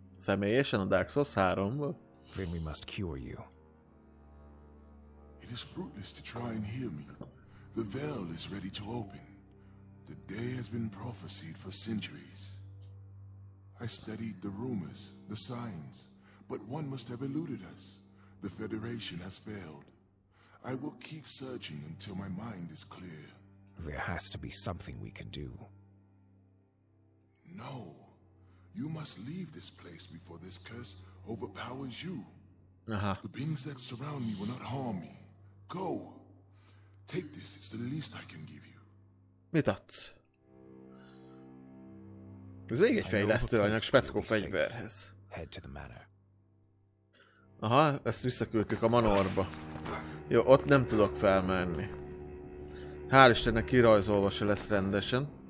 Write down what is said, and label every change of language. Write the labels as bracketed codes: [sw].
[hu] Személyesen a Dark Souls 3-ból. [en] Then we must cure you. It is fruitless to try and heal me. The veil is ready to open. The day has been prophesied for centuries. I studied the rumors, the signs, but one must have eluded us. The Federation has failed. I will keep searching until my mind is clear. There has to be something we can do. No. You must leave this place before this curse overpowers you. Uh-huh. The beings that surround me will not harm me. Go. Take this, it's the least I can give you. [hu] Mit adsz? Ez még egy fejlesztőanyag speckó fegyverhez. [en] Head to the manor. [hu] Aha, ezt visszaküldjük a manorba. Jó, ott nem tudok felmenni. Hál' Istennek kirajzolva se lesz rendesen.